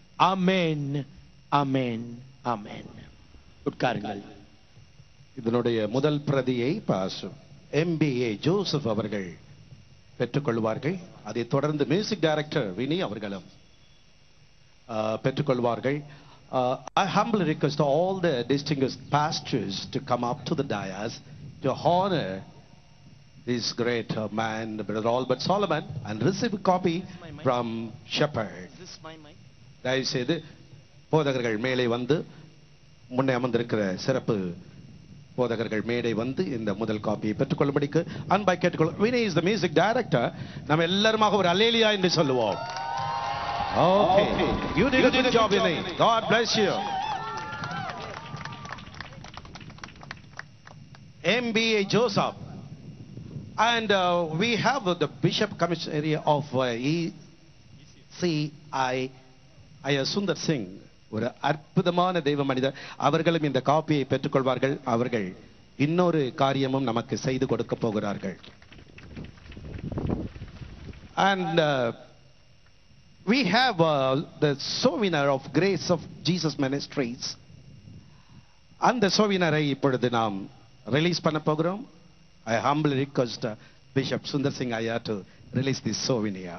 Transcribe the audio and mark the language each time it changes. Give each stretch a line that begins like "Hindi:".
Tamil: ஆமென், ஆமென், ஆமென். உட்காருங்கள். இதனுடைய முதல் பிரதியை பாசம் எம்பிஏ ஜோசப் அவர்கள் பெற்றுக்கொள்வார்கள். அதைத் தொடர்ந்து மியூசிக் டைரக்டர் வினி அவர்களும் பெற்றுக்கொள்வார்கள்.
English: I humbly request all the distinguished pastors to come up to the dais to honor this great man, Brother Albert Solomon, and receive a copy from Shepherd.
Tamil: தயவு செய்து போதகர்கள் மேலே வந்து, முன்னே அமர்ந்திருக்கிற சிறப்பு போதகர்கள் மேடை வந்து இந்த முதல் காப்பியை பெற்றுக்கொள்ளும்படிக்கு அன்பாய் கேட்டுக்கொள். Vini
English: Is the music director.
Tamil: நம்ம எல்லாருமாக ஒரு அலேலியா என்று சொல்லுவோம்.
English: Okay, you did a good job, Vinay. God bless you. MBA Joseph. And we have the Bishop Commissary of ECIIS Sundar Singh.
Tamil: ஒரு அற்புதமான தெய்வ மனிதர். அவர்களும் இந்த காப்பியை பெற்றுக்கொள்வார்கள். அவர்கள் இன்னொரு காரியமும் நமக்கு செய்து கொடுக்க போகிறார்கள்.
English: And we have the sovereign of grace of Jesus Ministries. And the sovereign
Tamil: ஐ இப்பொழுது நாம் ரிலீஸ் பண்ண போகிறோம்.
English: I humbly request Bishop Sundar Singh Iyer to release this sovereign.